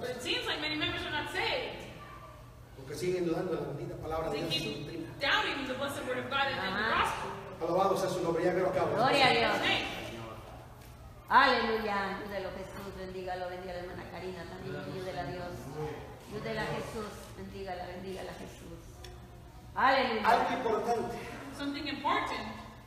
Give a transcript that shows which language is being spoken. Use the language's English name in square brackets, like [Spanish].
[English] But it seems like many members are not saved. [Spanish] Porque siguen dudando de la bendita palabra de Dios. [English] They keep doubting the blessed word of God and the gospel. [Spanish] Alabado sea su nombre, ya que lo acabo. Gloria a Dios. Aleluya. Ayúdelo Jesús, bendígalo, bendiga la hermana Karina también. Ayúdela a Dios. Ayúdela a Jesús, bendígala, bendígala a Jesús. Aleluya. Algo importante. [English] Something important.